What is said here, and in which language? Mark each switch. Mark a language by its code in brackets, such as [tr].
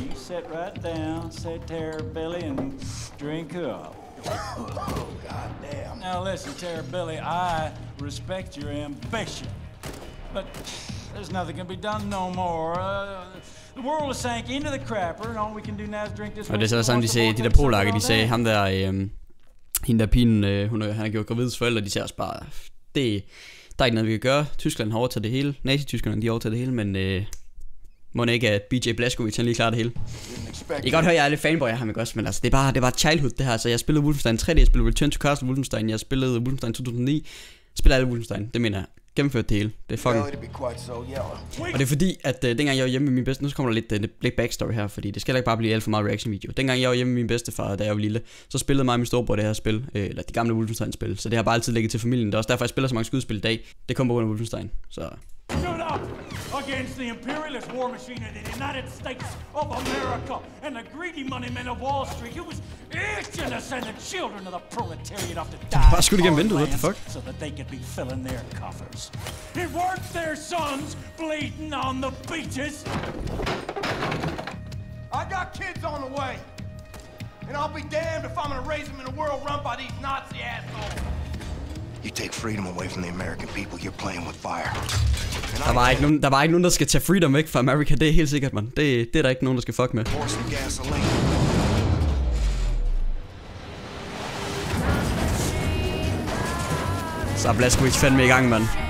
[en] Sit right down, sit Terribilly, and drink up. Oh, goddamn. Now listen, Terribilly, I respect your ambition. But there's nothing can be done no more. The world has sank into the crapper, and all we can do now is drink this. [da] Og det er sådan, de sagde, de der polakker, de sagde, ham der, hende der pigen, han har gjort gravides forældre, de sagde også bare, det. Der er ikke noget, vi kan gøre. Tyskland har overtaget det hele. Nazi-tyskerne, de har overtaget det hele, men må det ikke, at BJ Blazkowicz, han lige klarer det hele. I kan godt høre, jeg er lidt fanboy af ham, ikke også, men altså, det er bare childhood, det her. Så jeg spillede Wolfenstein 3D, jeg spillede Return to Castle Wolfenstein, jeg spillede Wolfenstein 2009, jeg spillede alle Wolfenstein, det mener jeg. Gennemført det hele. Det er fucking... Og det er fordi, at dengang jeg var hjemme med min bedste... Nu kommer der lidt backstory her, fordi det skal ikke bare blive alt for meget reaction-video. Dengang jeg var hjemme med min bedstefar, da jeg var lille, så spillede mig og min storebror det her spil. Eller de gamle Wolfenstein-spil. Så det har bare altid ligget til familien. Det er også derfor, jeg spiller så mange skydespil i dag. Det kommer på grund af Wolfenstein, så... [en] Stood up against the imperialist war machine in the United States of America and the greedy money men of Wall Street. He was itching to send the children of the proletariat off to die. [da] Bare skud igennem vinduet, [en] what the fuck? So that they could be filling their coffers. It worked their sons bleeding on the beaches. I got kids on the way. And I'll be damned if I'm gonna raise them in a world run by these Nazi assholes. You take freedom away from the American people, you're playing with fire. [da] Der var ikke nogen, der skal tage freedom væk fra Amerika. Det er helt sikkert, man. Det er der ikke nogen, der skal fuck med. Så er Blazkowicz fandme i gang, man.